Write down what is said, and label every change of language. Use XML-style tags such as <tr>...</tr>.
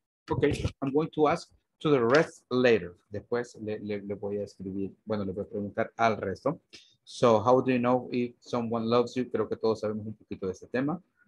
<en>Okay, I'm going to ask to the rest later.</en> <es>Después le voy a escribir, bueno, le voy a preguntar al resto.</es> <en>So, how do you know if someone loves you?</en> <es>Creo que todos sabemos un poquito de este tema.</es>